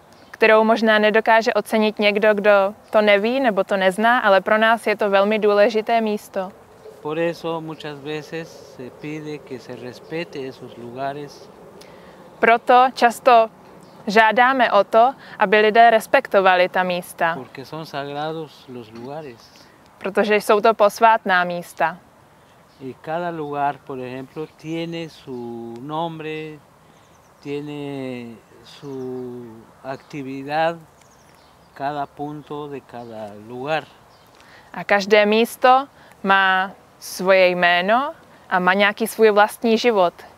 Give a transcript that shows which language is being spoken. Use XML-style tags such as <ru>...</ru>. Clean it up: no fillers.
<cs>Kterou možná nedokáže ocenit někdo, kdo to neví nebo to nezná, ale pro nás je to velmi důležité místo.</cs> <es>Por eso muchas veces se pide que se respete esos lugares.</es> <cs>Proto často žádáme o to, aby lidé respektovali ta místa.</cs> <es>Porque son sagrados los lugares.</es> <cs>Protože jsou to posvátná místa.</cs> <es>Y cada lugar, por ejemplo, tiene su nombre, tiene su actividad, cada punto de cada lugar.</es> <cs>A každé místo má svoje jméno a má nějaký svůj vlastní život.</cs>